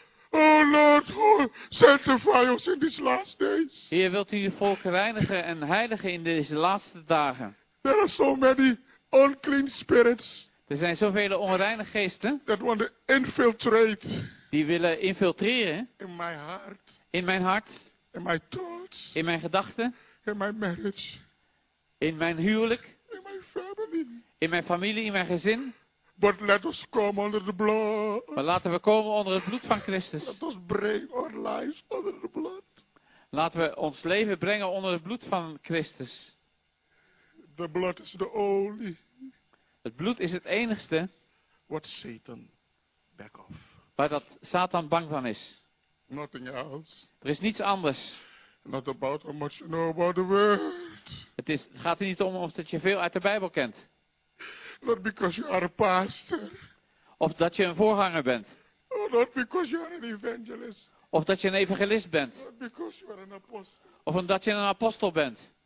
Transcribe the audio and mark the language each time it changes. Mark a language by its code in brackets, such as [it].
[en] Oh Lord, sanctify us in these last days. [nl] Heer, wilt u uw volk reinigen en heiligen in deze laatste dagen? [en] There are so many unclean spirits. [nl] Er zijn zoveel onreine geesten. [en] That want to infiltrate. [nl] Die willen infiltreren. [en] In my heart. [nl] In mijn hart. [en] In my thoughts. [nl] In mijn gedachten. [en] In my marriage. [nl] In mijn huwelijk. [en] In my family. [nl] In mijn familie, in mijn gezin. [en] But let us come under the blood. [nl] Maar laten we komen onder het bloed van Christus. [en] Let us bring our lives under the blood. [nl] Laten we ons leven brengen onder het bloed van Christus. [en] The blood is the only. [nl] Het bloed is het enigste. [en] What Satan back of. [nl] Waar dat Satan bang van is. [en] Nothing else. [nl] Er is niets anders. [en] Not about how much you know about the word. [nl] Het gaat er niet om of dat je veel uit de Bijbel kent. [en] Not because you are a pastor. [nl] Of dat je een voorganger bent. [en] Or not because you are an evangelist. [nl] Of dat je een evangelist bent. [en] Not because you are an apostle. [nl] Of omdat je een apostel bent.